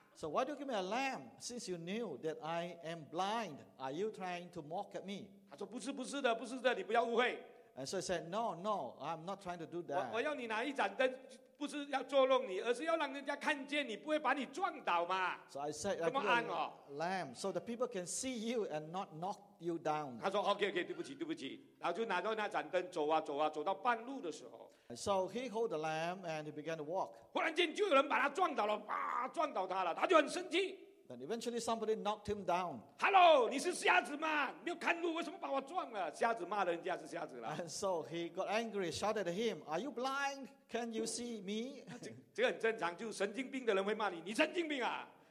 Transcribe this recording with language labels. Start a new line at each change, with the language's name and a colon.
English: So why do you give me a lamp? Since you knew that I am blind, are you trying to mock at me?
Chinese: 他说不是的，不是的，你不要误会。
English: And so he said, no, no, I'm not trying to do that.
Chinese: 我要你拿一盏灯。不是要捉弄你，而是要让人家看见你，不会把你撞倒嘛。
English: So I said, I'm a lamb, so the people can see you and not knock you down.
Chinese: 他说 ，OK, OK, 对不起，对不起，然后就拿着那盏灯走啊走啊，走到半路的时候。
English: So he hold the lamb and he began to walk.
Chinese: 忽然间就有人把他撞倒了，啊，撞倒他了，他就很生气。
English: Then eventually somebody knocked him down.
Chinese: Hello, 你是瞎子吗？没有看路，为什么把我撞了？瞎子骂人家是瞎子了。
English: And so he got angry, shouted at him, "Are you blind? Can you see me?"
Chinese: 这个很正常，就神经病的人会骂你，你神经病啊！